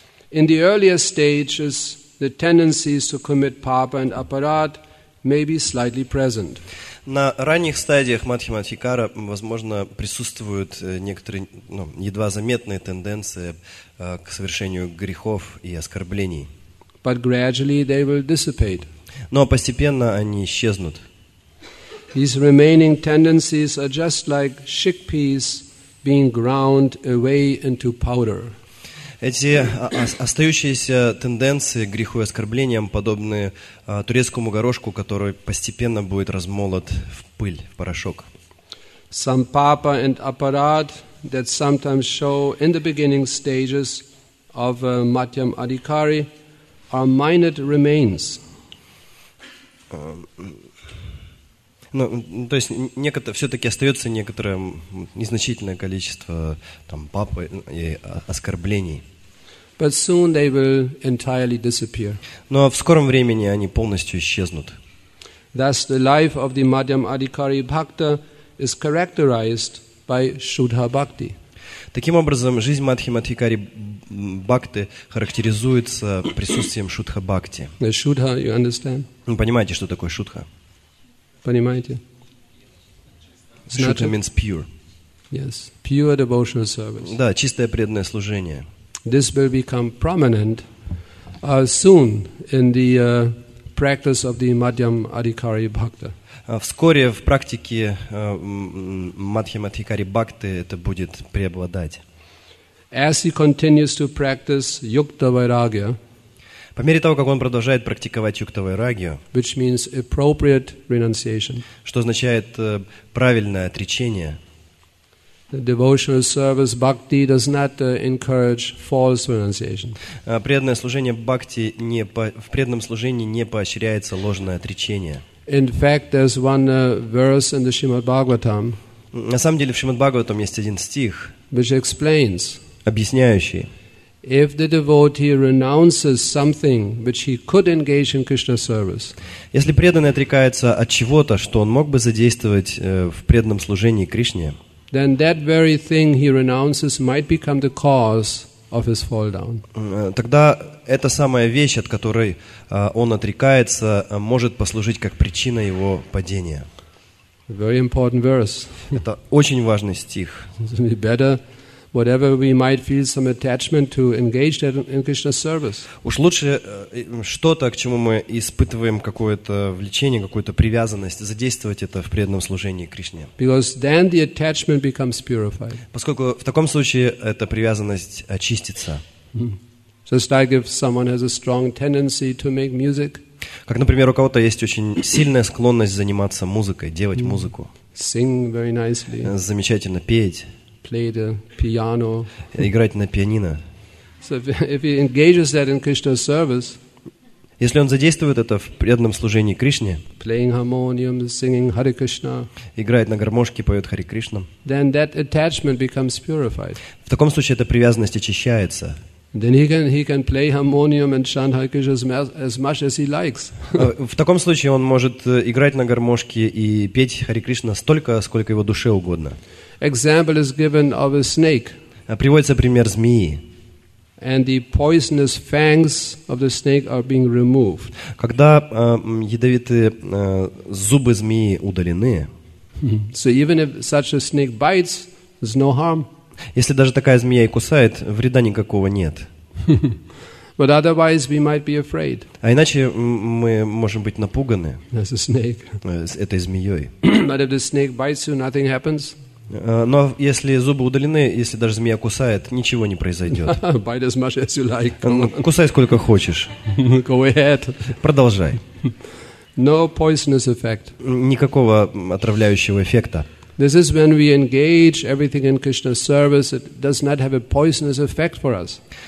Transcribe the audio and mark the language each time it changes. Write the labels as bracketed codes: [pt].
[en] In the earlier stages, the tendencies to commit papa and apparat may be slightly present. [ru] На ранних стадиях Матхи Матхикара, возможно, присутствуют некоторые едва заметные тенденции к совершению грехов и оскорблений. [en] But gradually they will dissipate. [ru] Но постепенно они исчезнут. [en] These remaining tendencies are just like chickpeas being ground away into powder. [ru] Эти остающиеся тенденции к греху и оскорблениям подобны турецкому горошку, который постепенно будет размолот в пыль, в порошок. [en] Some papa and apparat that sometimes show in the beginning stages of Matyam Adhikari are minor remains. [ru] То есть все-таки остается некоторое незначительное количество там папы и оскорблений. [en] But soon they will entirely disappear. [ru] Но в скором времени они полностью исчезнут. [en] Thus the life of the Madhyam Adhikari Bhakta is characterized by Shuddha Bhakti. [ru] Таким образом, жизнь Мадхи Мадхикари Бхакты характеризуется присутствием Шудха Бхакти. [en] Shuddha, you understand? [ru] Вы понимаете, что такое Шудха? Понимаете? [en] Шудха means pure. Yes, pure devotional service. [ru] Да, чистое преданное служение. [en] This will become prominent soon in the practice of the Madhyam Adhikari Bhakta. [ru] Вскоре в практике Мадхьям Адхикари Бхакты это будет преобладать. [en] As he continues to practice Yukta Vairagya, [ru] по мере того, как он продолжает практиковать Юкта Вайрагью, [en] which means appropriate renunciation, [ru] что означает правильное отречение, [en] the devotional service bhakti does not encourage false renunciation. [ru] Преданное служение бхакти в преданном служении не поощряется ложное отречение. [en] In fact, there's one verse in the Shrimad Bhagavatam. [ru] На самом деле в Шримад Бхагаватам есть один стих, [en] which explains, [ru] объясняющий. [en] If the devotee renounces something which he could engage in Krishna service. [ru] Если преданный отрекается от чего-то, что он мог бы задействовать в преданном служении Кришне, [en] then that very thing he renounces might become the cause of his fall down. [ru] Тогда эта самая вещь, от которой он отрекается, может послужить как причина его падения. [en] Very important verse. [ru] Это очень важный стих. [en] Better, whatever we might feel some attachment to, engage that in Krishna service. [ru] Уж лучше что-то, к чему мы испытываем какое-то влечение, какую-то привязанность, задействовать это в преданном служении Кришне. [en] Because then the attachment becomes purified. [ru] Поскольку в таком случае эта привязанность очистится. [en] Just like if someone has a strong tendency to make music. [ru] Как, например, у кого-то есть очень сильная склонность заниматься музыкой, делать музыку. [en] Sing very nicely. [ru] Замечательно петь. [en] Play the piano. [ru] Играть на пианино. [en] So if he engages that in Krishna's service. [ru] Если он задействует это в преданном служении Кришне, [en] playing harmonium, singing Hare Krishna, [ru] играет на гармошке, поет Харе Кришна, [en] then that attachment becomes purified. [ru] В таком случае эта привязанность очищается. [en] Then he can play harmonium and chant Hare Krishna as much as he likes. [ru] В таком случае он может играть на гармошке и петь Харе Кришна столько, сколько его душе угодно. [en] Example is given of a snake. [ru] Приводится пример змеи. [en] And the poisonous fangs of the snake are being removed. [ru] Когда ядовитые зубы змеи удалены. [en] So even if such a snake bites, there's no harm. [ru] Если даже такая змея и кусает, вреда никакого нет. [en] But otherwise we might be afraid. [ru] А иначе мы можем быть напуганы. [en] As a snake. [ru] С этой змеей. [en] But if the snake bites you, nothing happens. [ru] Но если зубы удалены, если даже змея кусает, ничего не произойдет. [en] Bite as much as you like. [ru] Кусай сколько хочешь. [en] Go ahead. [ru] Продолжай. [en] No poisonous effect. [ru] Никакого отравляющего эффекта. [en] This is when we engage everything in Krishna's service. It does not have a poisonous effect for us.